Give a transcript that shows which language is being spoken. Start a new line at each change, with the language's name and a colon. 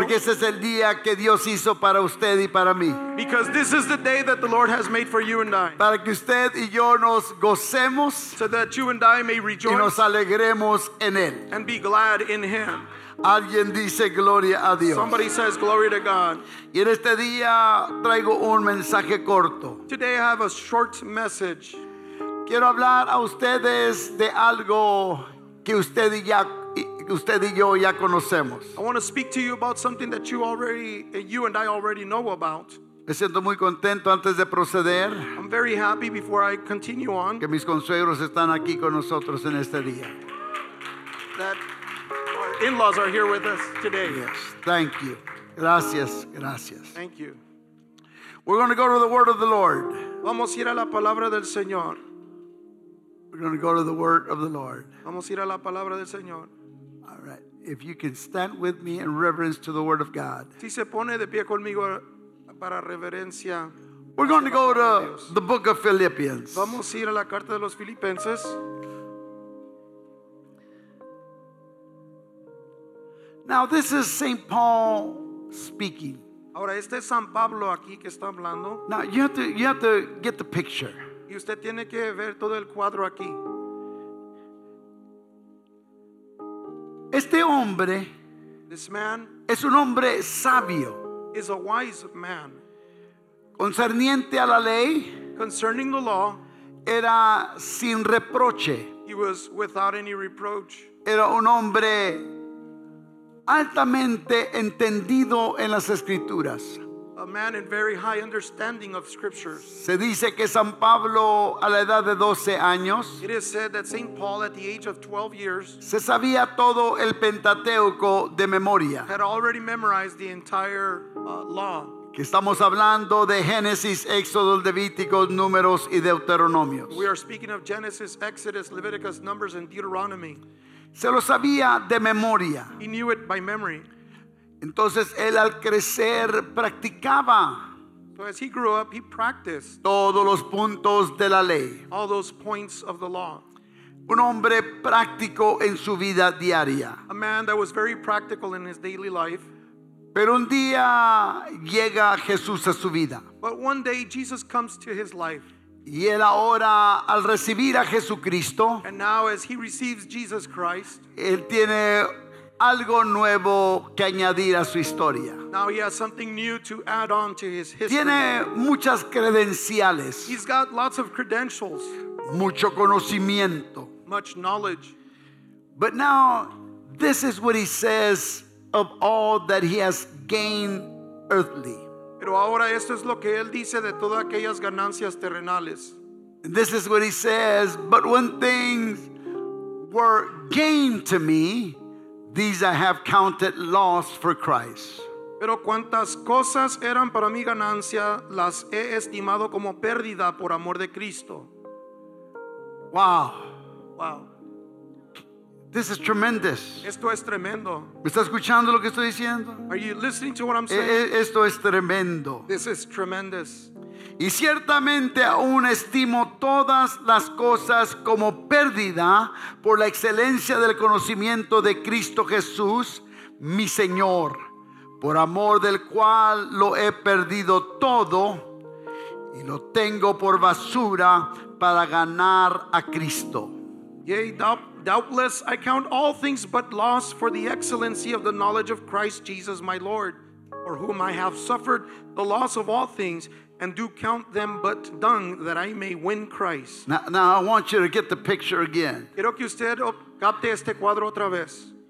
Spanish: Porque ese es el día que Dios hizo para usted y para mí.
English: Because this is the day that the Lord has made for you and I.
Spanish: Para que usted y yo nos gocemos.
English: So that you and I may rejoice.
Spanish: Y nos alegremos en él.
English: And be glad in him.
Spanish: Alguien dice gloria a Dios.
English: Somebody says glory to God.
Spanish: Y en este día traigo un mensaje corto.
English: Today I have a short message.
Spanish: Quiero hablar a ustedes de algo que usted y yo ya conocemos.
English: I want to speak to you about something that you and I already know about.
Spanish: Me siento muy contento antes de proceder.
English: I'm very happy before I continue on.
Spanish: Que mis consuegros están aquí con nosotros en este día.
English: That our in-laws are here with us today. Yes, thank you.
Spanish: Gracias, gracias.
English: Thank you. We're going to go to the word of the Lord.
Spanish: Vamos a ir a la palabra del Señor.
English: We're going to go to the word of the Lord.
Spanish: Vamos a ir a la palabra del Señor.
English: All right. If you can stand with me in reverence to the word of God.
Spanish: Si se pone de pie conmigo para reverencia.
English: We're going to go to the book of Philippians.
Spanish: Vamos a ir a la carta de los Filipenses.
English: Now this is St. Paul speaking.
Spanish: Ahora este es San Pablo aquí que está hablando.
English: Now you have to get the picture.
Spanish: Y usted tiene que ver todo el cuadro aquí. Este hombre,
English: this man,
Spanish: es un hombre sabio,
English: is a wise man.
Spanish: Concerniente a la ley,
English: concerning the law,
Spanish: era sin reproche.
English: He was without any reproach.
Spanish: Era un hombre altamente entendido en las escrituras.
English: A man in very high understanding of scriptures.
Spanish: Se dice que San Pablo a la edad de 12 años.
English: It is said that Saint Paul at the age of 12 years.
Spanish: Se sabía todo el Pentateuco de memoria.
English: Had already memorized the entire law.
Spanish: Que estamos hablando de Génesis, Éxodo, Levítico, Números y Deuteronomios.
English: We are speaking of Genesis, Exodus, Leviticus, Numbers and Deuteronomy.
Spanish: Se lo sabía de memoria.
English: He knew it by memory.
Spanish: Entonces él al crecer practicaba
English: as he grew up, he practiced
Spanish: todos los puntos de la ley.
English: All those points of the law.
Spanish: Un hombre práctico en su vida diaria.
English: A man that was very practical in his daily life.
Spanish: Pero un día llega Jesús a su vida.
English: But one day Jesus comes to his life.
Spanish: Y él ahora al recibir a Jesucristo,
English: and now as he receives Jesus Christ,
Spanish: él tiene algo nuevo que añadir a su historia.
English: Now he has something new to add on to his history.
Spanish: Tiene muchas credenciales.
English: He's got lots of credentials.
Spanish: Mucho conocimiento.
English: Much knowledge. But now, this is what he says of all that he has gained earthly.
Spanish: Pero ahora esto es lo que él dice de todas aquellas ganancias terrenales.
English: This is what he says, but when things were gained to me, these I have counted loss for Christ.
Spanish: Pero cuantas cosas eran para mi ganancia, las he estimado como pérdida por amor de Cristo.
English: Wow. Wow. This is tremendous.
Spanish: Esto es tremendo. ¿Me está escuchando lo que estoy diciendo?
English: Are you listening to what I'm saying?
Spanish: Esto es tremendo.
English: This is tremendous.
Spanish: Y ciertamente aún estimo todas las cosas como pérdida por la excelencia del conocimiento de Cristo Jesús, mi Señor, por amor del cual lo he perdido todo y lo tengo por basura para ganar a Cristo.
English: Yea, doubtless I count all things but loss for the excellency of the knowledge of Christ Jesus my Lord, for whom I have suffered the loss of all things, and do count them but dung that I may win Christ. Now I want you to get the picture again.
Spanish: Quiero que usted capte este cuadro otra vez.